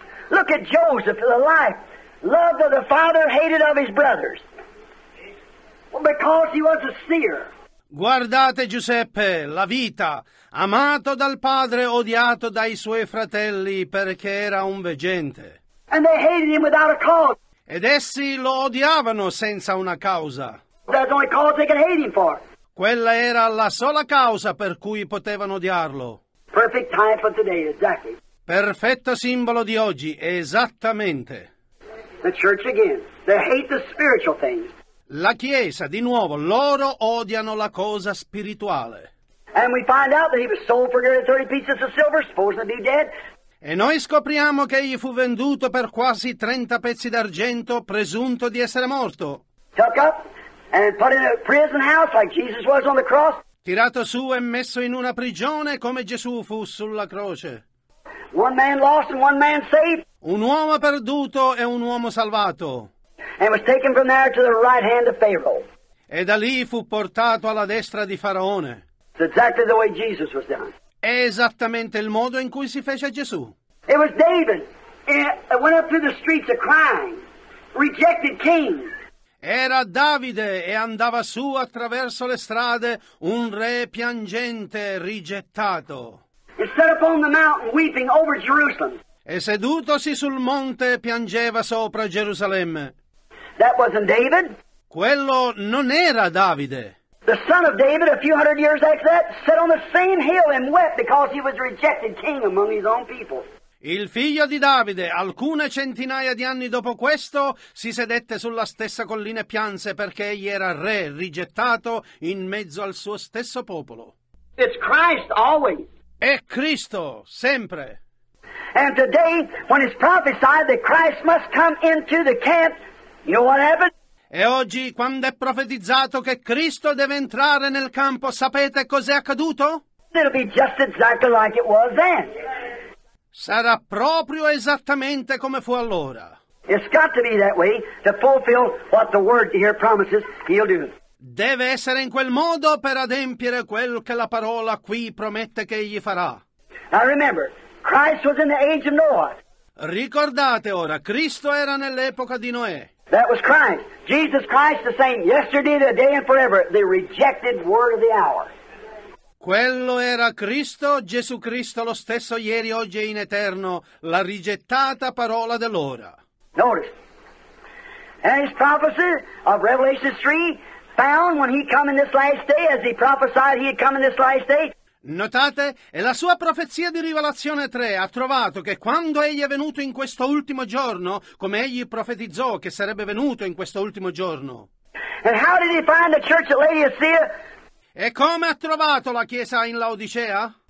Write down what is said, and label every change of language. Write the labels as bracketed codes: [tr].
[en] Look at Joseph, the life, loved of the father, hated of his brothers. Because he was a seer. [it] Guardate Giuseppe, la vita, amato dal padre, odiato dai suoi fratelli perché era un veggente. [en] And they hated him without a cause. [it] Ed essi lo odiavano senza una causa. [en] That's the only cause they could hate him for. [it] Quella era la sola causa per cui potevano odiarlo. [en] Perfect time for today, exactly. [it] Perfetto simbolo di oggi, esattamente. [en] The church again. They hate the spiritual things. [it] La Chiesa, di nuovo, loro odiano la cosa spirituale. [en] And we find out that he was sold for 30 pieces of silver, supposed to be dead. [it] E noi scopriamo che egli fu venduto per quasi 30 pezzi d'argento, presunto di essere morto. [en] Took up and put in a prison house like Jesus was on the cross. [it] Tirato su e messo in una prigione come Gesù fu sulla croce. [en] One man lost and one man saved. [it] Un uomo perduto e un uomo salvato. [en] And was taken from there to the right hand of Pharaoh. [it] E da lì fu portato alla destra di Faraone. [en] It's exactly the way Jesus was done. [it] È esattamente il modo in cui si fece Gesù. [en] It was David. It went up through the streets of crying. Rejected king. [it] Era Davide e andava su attraverso le strade, un re piangente, rigettato. [en] He sat up on the mountain weeping over Jerusalem. [it] E sedutosi sul monte piangeva sopra Gerusalemme. [en] That wasn't David. [it] Quello non era Davide. [en] The son of David, a few hundred years after that, sat on the same hill and wept because he was rejected king among his own people. [it] Il figlio di Davide, alcune centinaia di anni dopo questo, si sedette sulla stessa collina e pianse perché egli era re rigettato in mezzo al suo stesso popolo. [en] It's Christ always. [it] È Cristo sempre. [en] And today, when it's prophesied that Christ must come into the camp, you know what happened? [it] E oggi, quando è profetizzato che Cristo deve entrare nel campo, sapete cos'è accaduto? [en] It'll be just exactly like it was then. [it] Sarà proprio esattamente come fu allora. [en] It's got to be that way to fulfill what the word here promises he'll do. [it] Deve essere in quel modo per adempiere quel che la parola qui promette che egli farà. [en] Now remember, Christ was in the age of Noah. [it] Ricordate ora, Cristo era nell'epoca di Noè. [en] That was Christ. Jesus Christ the same yesterday, today and forever, the rejected word of the hour. [it] Quello era Cristo, Gesù Cristo lo stesso ieri, oggi e in eterno, la rigettata parola dell'ora. [en] Notice. And his prophecy of Revelation 3 found when he come in this last day, as he prophesied he had come in this last day. [it] Notate, e la sua profezia di Rivelazione 3 ha trovato che quando egli è venuto in questo ultimo giorno, come egli profetizzò che sarebbe venuto in questo ultimo giorno. [en] And how did he find the church at Laodicea? [it] E come ha trovato la chiesa in Laodicea?